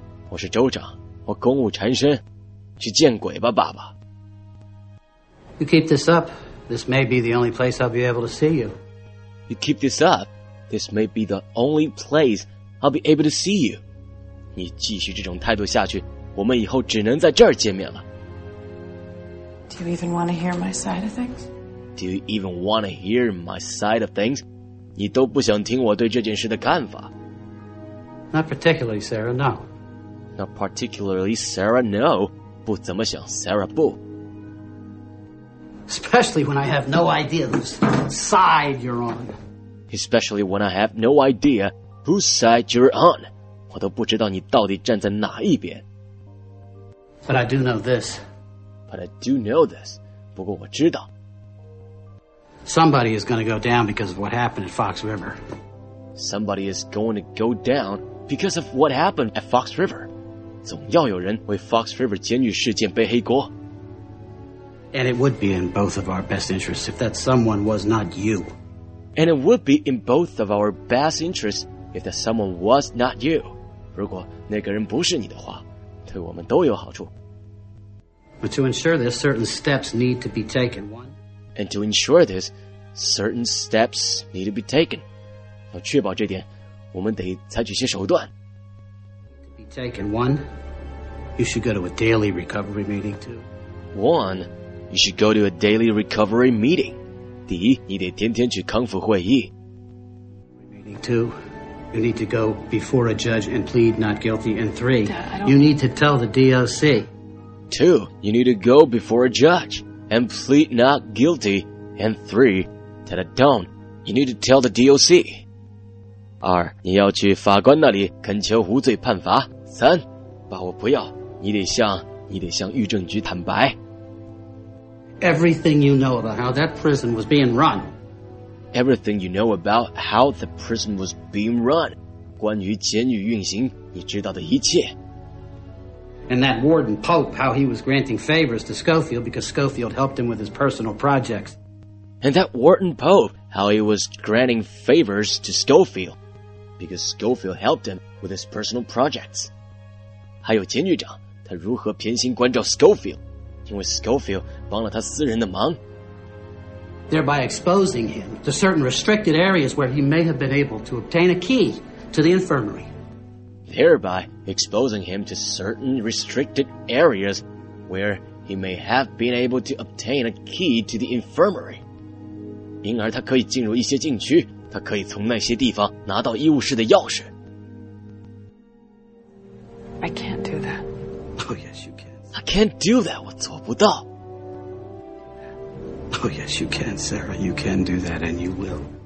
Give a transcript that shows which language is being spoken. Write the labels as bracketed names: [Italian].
[Chinese] 我是州长，我公务缠身，去见鬼吧，爸爸。 [English] You keep this up. This may be the only place I'll be able to see you. You keep this up. This may be the only place I'll be able to see you. [Chinese] 你继续这种态度下去，我们以后只能在这儿见面了。 [English] Do you even want to hear my side of things? Do you even want to hear my side of things? [Chinese] 你都不想听我对这件事的看法。 [English] Not particularly, Sarah, no. Not particularly, Sarah, no. [Chinese] 不怎么想 ,Sarah, 不。 [English] Especially when I have no idea whose side you're on. Especially when I have no idea whose side you're on. [Chinese] 我都不知道你到底站在哪一边。 [English] But I do know this. But I do know this. [Chinese] 不过我知道。 [English] Somebody is going to go down because of what happened at Fox River. Somebody is going to go down because of what happened at Fox River. [Chinese] 总要有人为 Fox River 监狱事件背黑锅。 [English] And it would be in both of our best interests if that someone was not you. And it would be in both of our best interests if that someone was not you. [Chinese] 如果那个人不是你的话，对我们都有好处。 [English] But to ensure this, certain steps need to be taken. One. And to ensure this, certain steps need to be taken. [Chinese] 要确保这点，我们得采取些手段。 [English] Need to be taken. One. You should go to a daily recovery meeting. Two. One. You should go to a daily recovery meeting. [Chinese] 第一，你得天天去康复会议。 [English] Meeting two, you need to go before a judge and plead not guilty. And three, you need to tell the DOC. Two, you need to go before a judge and plead not guilty. And three, set a tone. You need to tell the DOC. [Chinese] 二，你要去法官那里恳求无罪判罚。三，把我不要，你得向狱政局坦白。 [English] Everything you know about how that prison was being run. Everything you know about how the prison was being run. [Chinese] 关于监狱运行，你知道的一切。 [English] And that warden Pope, how he was granting favors to Schofield because Schofield helped him with his personal projects. And that warden Pope, how he was granting favors to Schofield because Schofield helped him with his personal projects. [Chinese] 还有监狱长，他如何偏心关照 Schofield, 因为 Schofield 帮了他私人的忙。 [English] Thereby exposing him to certain restricted areas where he may have been able to obtain a key to the infirmary. Thereby exposing him to certain restricted areas where he may have been able to obtain a key to the infirmary. [Chinese] 因而他可以进入一些禁区，他可以从那些地方拿到医务室的钥匙。 [English] I can't do that. Oh, yes, you can. I can't do that. [Chinese] 我做不到。 [English] Oh, yes, you can, Sarah. You can do that and you will.